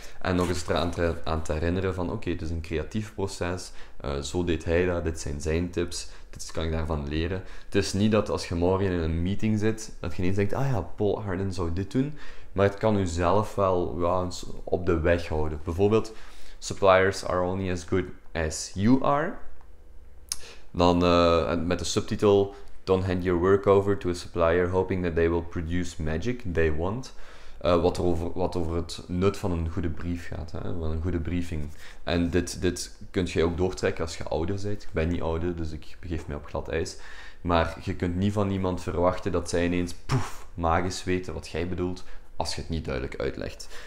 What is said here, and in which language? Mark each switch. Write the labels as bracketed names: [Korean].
[Dutch] En nog eens eraan te herinneren van, oké, het is een creatief proces. Zo deed hij dat, dit zijn zijn tips, dit kan ik daarvan leren. Het is niet dat als je morgen in een meeting zit, dat je ineens denkt, ah ja, Paul Arden zou dit doen. Maar het kan u zelf wel eens op de weg houden. [English] Bijvoorbeeld, suppliers are only as good as you are. [Dutch] Dan met de subtitel, [English] don't hand your work over to a supplier hoping that they will produce magic they want. [Dutch] Wat over het nut van een goede brief gaat, hè? Van een goede briefing. En dit kun je ook doortrekken als je ouder bent. Ik ben niet ouder, dus ik begeef mij op glad ijs. Maar je kunt niet van iemand verwachten dat zij ineens poef, magisch weten wat jij bedoelt, als je het niet duidelijk uitlegt.